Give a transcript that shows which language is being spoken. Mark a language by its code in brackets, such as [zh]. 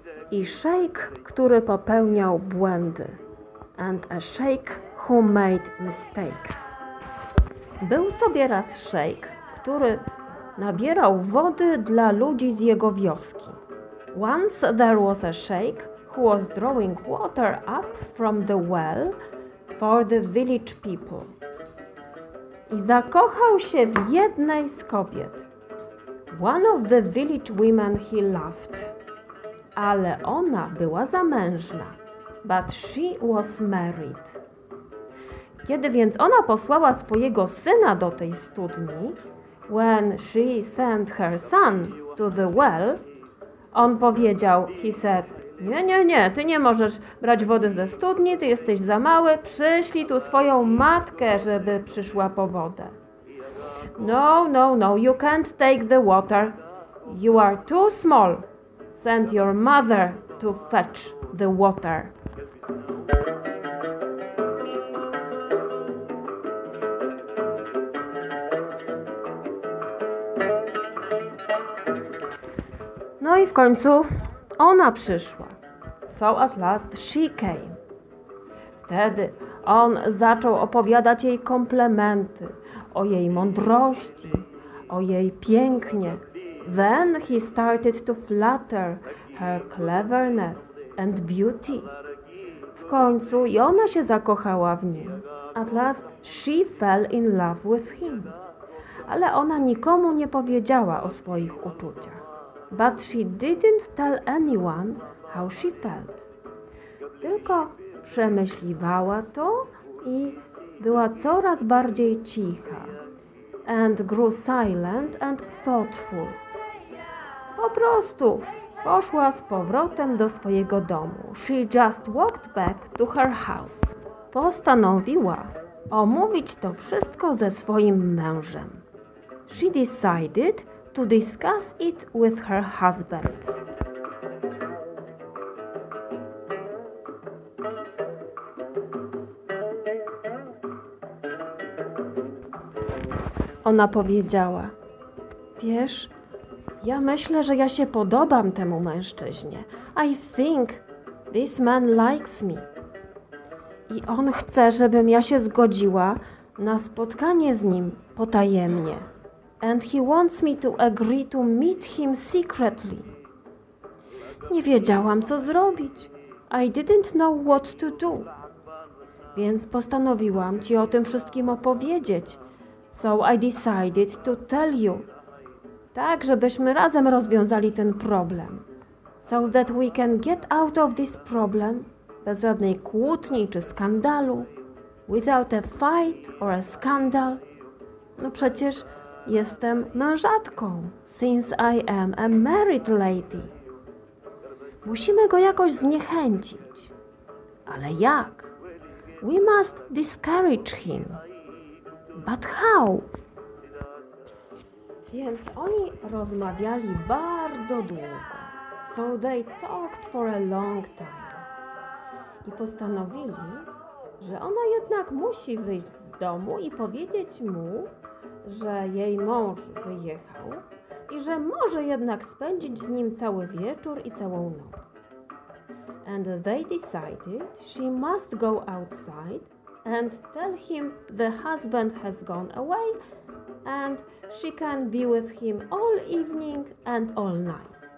[pl] I szejk, który popełniał błędy. [en] And a sheikh who made mistakes. [pl] Był sobie raz szejk, który nabierał wody dla ludzi z jego wioski. [en] Once there was a sheikh who was drawing water up from the well for the village people. [pl] I zakochał się w jednej z kobiet. [en] One of the village women he loved. [pl] Ale ona była zamężna. [en] But she was married. [pl] Kiedy więc ona posłała swojego syna do tej studni, [en] when she sent her son to the well, [pl] on powiedział, [en] he said, [pl] nie, nie, nie, ty nie możesz brać wody ze studni, ty jesteś za mały, przyślij tu swoją matkę, żeby przyszła po wodę. [en] No, no, no, you can't take the water. You are too small. Send your mother to fetch the water. [pl] No i w końcu ona przyszła. [en] So at last she came. [pl] Wtedy on zaczął opowiadać jej komplementy o jej mądrości, o jej pięknie. [en] Then he started to flatter her cleverness and beauty. [pl] W końcu i ona się zakochała w nim. [en] At last she fell in love with him. [pl] Ale ona nikomu nie powiedziała o swoich uczuciach. [en] But she didn't tell anyone how she felt. [pl] Tylko przemyśliwała to i była coraz bardziej cicha. [en] And grew silent and thoughtful. [pl] Po prostu poszła z powrotem do swojego domu. [en] She just walked back to her house. [pl] Postanowiła omówić to wszystko ze swoim mężem. [en] She decided to discuss it with her husband. [pl] Ona powiedziała, wiesz, ja myślę, że ja się podobam temu mężczyźnie. [en] I think this man likes me. [pl] I on chce, żebym ja się zgodziła na spotkanie z nim potajemnie. [en] And he wants me to agree to meet him secretly. [pl] Nie wiedziałam, co zrobić. [en] I didn't know what to do. [pl] Więc postanowiłam ci o tym wszystkim opowiedzieć. [en] So I decided to tell you. [pl] Tak, żebyśmy razem rozwiązali ten problem. [en] So that we can get out of this problem [pl] bez żadnej kłótni czy skandalu. [en] Without a fight or a scandal. [pl] No przecież jestem mężatką, [en] since I am a married lady. [pl] Musimy go jakoś zniechęcić. Ale jak? [en] We must discourage him. But how? [pl] Więc oni rozmawiali bardzo długo. [en] So they talked for a long time. [pl] I postanowili, że ona jednak musi wyjść z domu i powiedzieć mu, że jej mąż wyjechał i że może jednak spędzić z nim cały wieczór i całą noc. [en] And they decided she must go outside and tell him the husband has gone away and she can be with him all evening and all night.